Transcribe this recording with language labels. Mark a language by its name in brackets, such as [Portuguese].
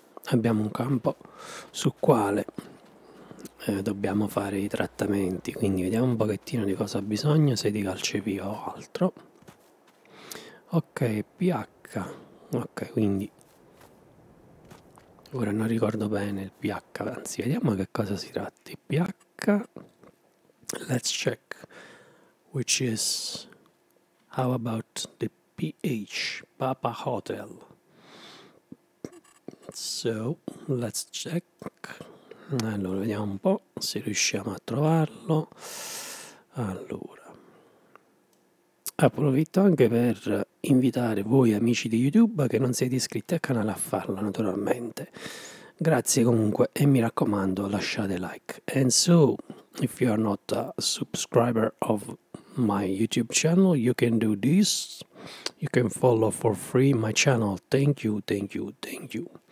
[Italian] Abbiamo un campo sul quale dobbiamo fare i trattamenti, quindi vediamo un pochettino di cosa ha bisogno, se di calcepio o altro. Ok, pH. Ok, quindi ora non ricordo bene il pH, anzi vediamo che cosa si tratta. [English] pH, let's check, which is, how about the pH, Papa Hotel. So, let's check. [Italian] Allora, vediamo un po' se riusciamo a trovarlo. Allora, approfitto anche per invitare voi amici di YouTube che non siete iscritti al canale a farlo, naturalmente. Grazie comunque, e mi raccomando, lasciate like. [English] And so, if you are not a subscriber of my YouTube channel, you can do this. You can follow for free my channel. Thank you, thank you, thank you.